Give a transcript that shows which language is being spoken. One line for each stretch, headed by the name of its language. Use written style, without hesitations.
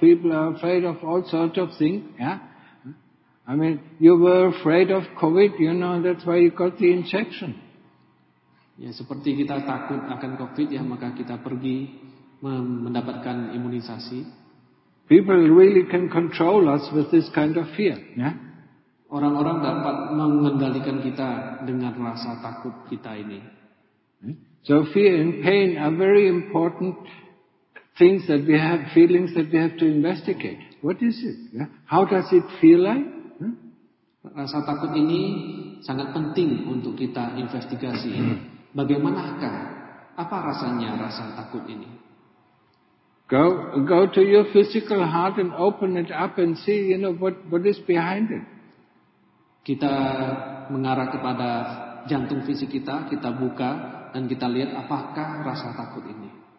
English: People are afraid of all sorts of things. Yeah, I mean, you were afraid of COVID. You know, that's why you got the injection.
Indonesian: Ya, seperti kita takut akan COVID, ya, maka kita pergi mendapatkan imunisasi.
English: People really can control us with this kind of fear. Yeah.
Indonesian: Orang-orang dapat mengendalikan kita dengan rasa takut kita ini.
English: So fear and pain are very important things that we have, feelings that we have to investigate. What is it? How does it feel like?
Indonesian: Rasa takut ini sangat penting untuk kita investigasi. Bagaimanakah? Apa rasanya rasa takut ini?
English: Go to your physical heart and open it up and see, you know, what is behind it.
Indonesian: Kita mengarah kepada jantung fisik kita, kita buka dan kita lihat apakah rasa takut ini.